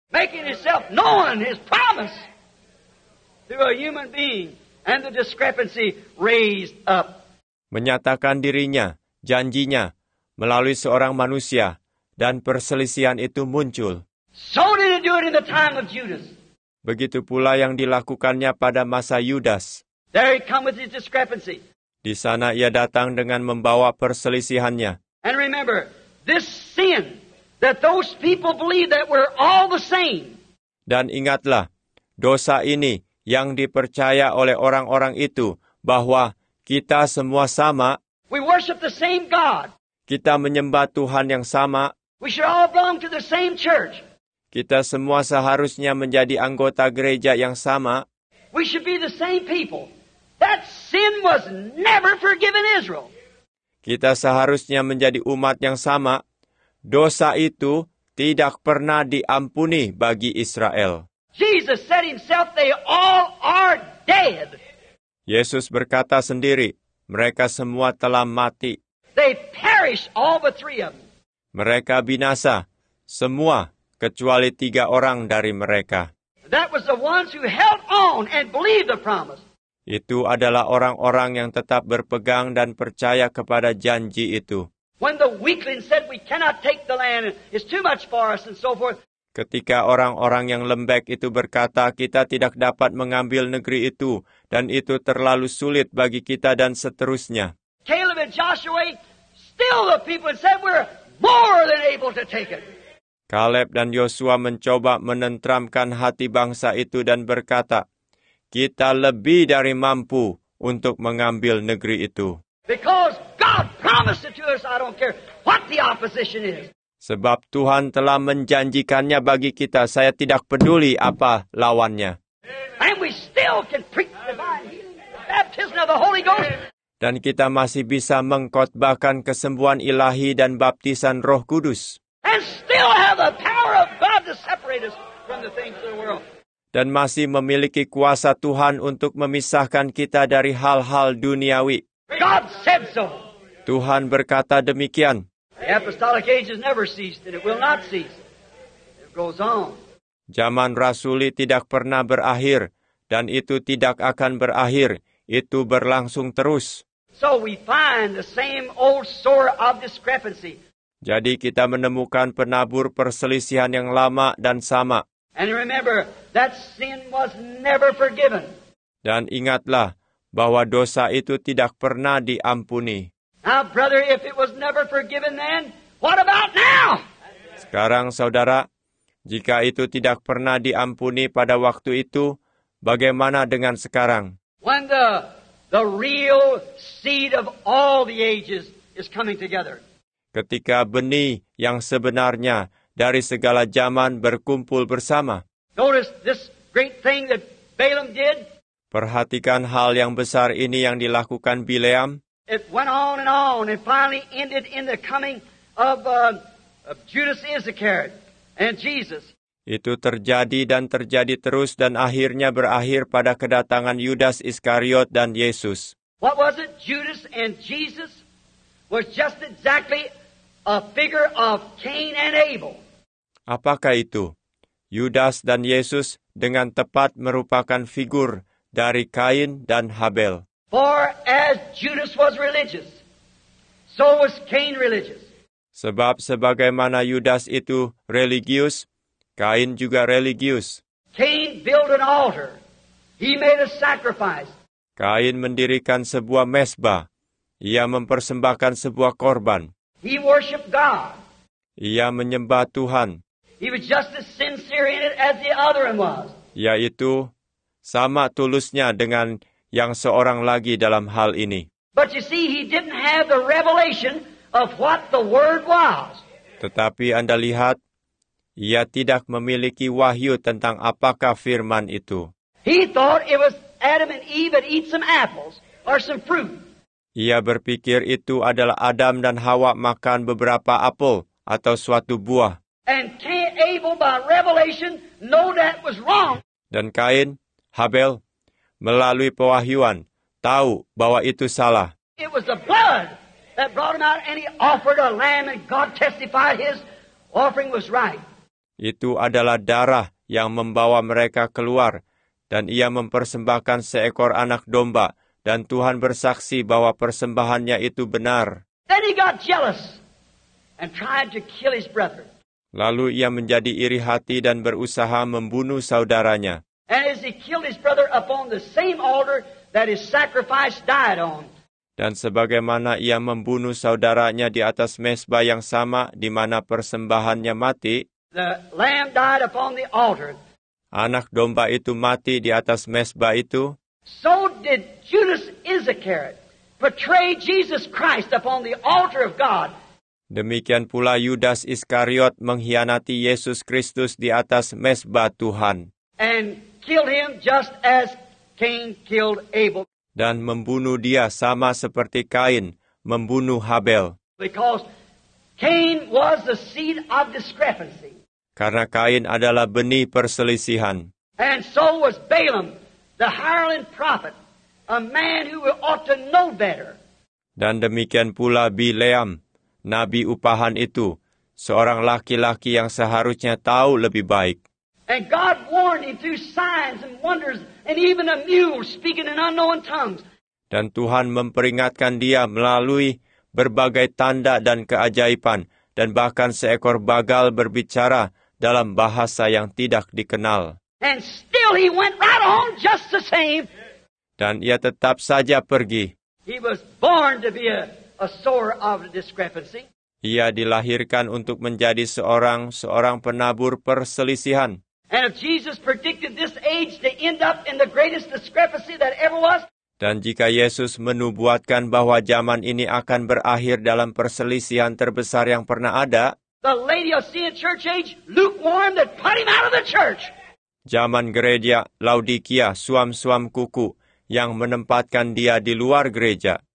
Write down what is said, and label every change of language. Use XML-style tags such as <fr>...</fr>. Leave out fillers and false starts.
<en>Making himself known his promise to a human being and the discrepancy raised up.</en> <id>Menyatakan dirinya, janjinya melalui seorang manusia dan perselisihan itu muncul.</id> <en>So did he do it in the time of Judas.</en> <id>Begitu pula yang dilakukannya pada masa Yudas.</id> <en>There he come with his discrepancy.</en> <id>Di sana ia datang dengan membawa perselisihannya.</id> <en>And remember, this sin that those people believe that we're all the same.</en> <id>Dan ingatlah, dosa ini yang dipercaya oleh orang-orang itu bahwa kita semua sama.</id> <en>We worship the same God.</en> <id>Kita menyembah Tuhan yang sama.</id> <en>We should all belong to the same church.</en> <id>Kita semua seharusnya menjadi anggota gereja yang sama.</id> <en>We should be the same people. That sin was never forgiven Israel.</en> <id>Kita seharusnya menjadi umat yang sama. Dosa itu tidak pernah diampuni bagi Israel.</id> <en>Jesus said himself, they all are dead.</en> <id>Yesus berkata sendiri, mereka semua telah mati.</id> <en>They perish, all but three of them.</en> <id>Mereka binasa, semua. Kecuali 3 orang dari mereka.</id> <en>That was the ones who held on and believed the promise.</en> <id>Itu adalah orang-orang yang tetap berpegang dan percaya kepada janji itu.</id> <en>When the weakling said we cannot take the land, it's too much for us and so forth.</en> <id>Ketika orang-orang yang lembek itu berkata kita tidak dapat mengambil negeri itu dan itu terlalu sulit bagi kita dan seterusnya.</id> <en>Caleb and Joshua still the people and said we're more than able to take it.</en> <id>Caleb dan Yosua mencoba menenteramkan hati bangsa itu dan berkata, kita lebih dari mampu untuk mengambil negeri itu.</id> <en>Because God promised it to us, I don't care what the opposition is.</en> <id>Sebab Tuhan telah menjanjikannya bagi kita, saya tidak peduli apa lawannya.</id> <en>And we still can preach the baptism of the Holy Ghost.</en> <id>Dan kita masih bisa mengkhotbahkan kesembuhan ilahi dan baptisan Roh Kudus.</id> <en>And still have the power of God to separate us from the things of the world.</en> <id>Dan masih memiliki kuasa Tuhan untuk memisahkan kita dari hal-hal duniawi.</id> <en>God said so.</en> <id>Tuhan berkata demikian.</id> <en>The apostolic age has never ceased and it will not cease. It goes on.</en> <id>Zaman rasuli tidak pernah berakhir dan itu tidak akan berakhir. Itu berlangsung terus.</id> <en>So we find the same old sore of discrepancy.</en> <id>Jadi kita menemukan penabur perselisihan yang lama dan sama.</id> <en>And remember, that sin was never forgiven.</en> <id>Dan ingatlah bahwa dosa itu tidak pernah diampuni.</id> <en>Now, brother, if it was never forgiven then, what about now?</en> <id>Sekarang saudara, jika itu tidak pernah diampuni pada waktu itu, bagaimana dengan sekarang?</id> <en>When the real seed of all the ages is coming together.</en> <id>Ketika benih yang sebenarnya dari segala zaman berkumpul bersama.</id> <en>Notice this great thing that Balaam did.</en> <id>Perhatikan hal yang besar ini yang dilakukan Bileam.</id> <en>It went on and finally ended in the coming of Judas Iscariot and Jesus.</en> <id>Itu terjadi dan terjadi terus dan akhirnya berakhir pada kedatangan Yudas Iskariot dan Yesus.</id> <en>What was it? Judas and Jesus was just exactly a figure of Cain and Abel.</en> <id>Apakah itu? Yudas dan Yesus dengan tepat merupakan figur dari Kain dan Habel.</id> <en>For as Judas was religious, so was Cain religious.</en> <id>Sebab sebagaimana Yudas itu religius, Kain juga religius.</id> <en>Cain built an altar. He made a sacrifice.</en> <id>Kain mendirikan sebuah mesbah. Ia mempersembahkan sebuah korban.</id> <en>He worshiped God.</en> <id>Ia menyembah Tuhan.</id> <en>He was just as sincere in it as the other one was.</en> <id>Yaitu sama tulusnya dengan yang seorang lagi dalam hal ini.</id> <en>But you see, he didn't have the revelation of what the word was.</en> <id>Tetapi Anda lihat, ia tidak memiliki wahyu tentang apakah firman itu.</id> <en>He thought it was Adam and Eve that eat some apples or some fruit.</en> <id>Ia berpikir itu adalah Adam dan Hawa makan beberapa apel atau suatu buah.</id> <en>And Cain Abel by revelation know that was wrong.</en> <id>Dan Kain, Habel, melalui pewahyuan, tahu bahwa itu salah.</id> <en>It was the blood that brought him out and he offered a lamb and God testified his offering was right.</en> <id>Itu adalah darah yang membawa mereka keluar dan ia mempersembahkan seekor anak domba dan Tuhan bersaksi bahwa persembahannya itu benar.</id> <en>Then he got jealous and tried to kill his brother.</en> <id>Lalu ia menjadi iri hati dan berusaha membunuh saudaranya.</id> <en>And as he killed his brother upon the same altar that his sacrifice died on.</en> <id>Dan sebagaimana ia membunuh saudaranya di atas mesbah yang sama di mana persembahannya mati.</id> <en>The lamb died upon the altar.</en> <id>Anak domba itu mati di atas mesbah itu.</id> <en>So did Judas Iscariot betray Jesus Christ upon the altar of God.</en> <id>Demikian pula Yudas Iskariot mengkhianati Yesus Kristus di atas mesbah Tuhan.</id> <en>And killed him just as Cain killed Abel.</en> <id>Dan membunuh dia sama seperti Kain membunuh Habel.</id> <en>Because Cain was the seed of discrepancy.</en> <id>Karena Kain adalah benih perselisihan.</id> <en>And so was Balaam, the hireling prophet, a man who ought to know better.</en> <id>Dan demikian pula Bileam, nabi upahan itu, seorang laki-laki yang seharusnya tahu lebih baik.</id> <en>And God warned him through signs and wonders and even a mule speaking in unknown tongues.</en> <id>Dan Tuhan memperingatkan dia melalui berbagai tanda dan keajaiban dan bahkan seekor bagal berbicara dalam bahasa yang tidak dikenal.</id> <en>And still he went right on just the same.</en> <id>Dan ia tetap saja pergi.</id> <en>He was born to be a sower of discrepancy.</en> <id>Ia dilahirkan untuk menjadi seorang penabur perselisihan.</id> <en>And if Jesus predicted this age to end up in the greatest discrepancy that ever was.</en> <id>Dan jika Yesus menubuatkan bahwa zaman ini akan berakhir dalam perselisihan terbesar yang pernah ada.</id> <en>The Laodicean church age, lukewarm, that put him out of the church.</en> <id>Zaman gereja Laodikia, suam-suam kuku, yang menempatkan dia di luar gereja.</id>